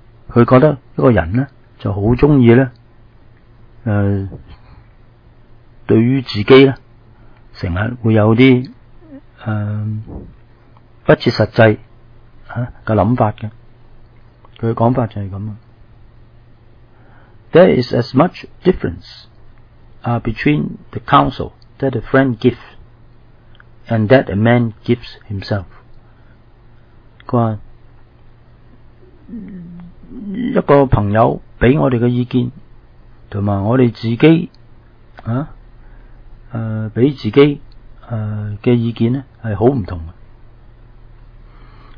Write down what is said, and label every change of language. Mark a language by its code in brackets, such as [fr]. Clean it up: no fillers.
[yue] 佢觉得一个人呢就好鍾意呢对于自己呢成日会有啲不切实际嘅諗法嘅。佢嘅讲法就係咁。 [en] There is as much difference between the counsel that a friend gives and that a man gives himself. [yue] 佢话一个朋友俾我哋嘅意见，同埋我哋自己俾自己嘅意见咧，系好唔同嘅。